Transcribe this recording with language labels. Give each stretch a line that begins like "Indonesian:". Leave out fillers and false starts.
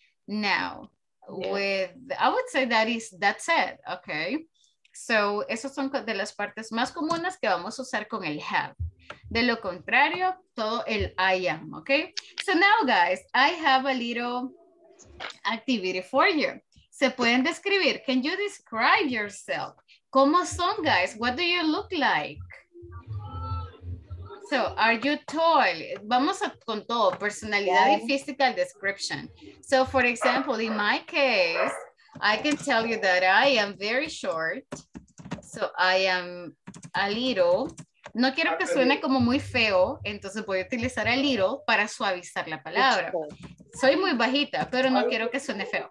English: Now, with, I would say that is, that's it, okay?
Spanish: So, esas son de las partes más comunes que vamos a usar con el have. De lo contrario, todo el I am, okay?
English: So now, guys, I have a little activity for you.
Spanish: Se pueden describir. Can you describe yourself? ¿Cómo son, guys?
English: What do you look like?
Spanish: So, are you tall? Vamos a, con todo, personalidad y physical description.
English: So, for example, in my case, I can tell you that I am very short, so I am a little.
Spanish: No quiero que suene como muy feo, entonces voy a utilizar a little para suavizar la palabra. Soy muy bajita, pero no quiero que suene feo.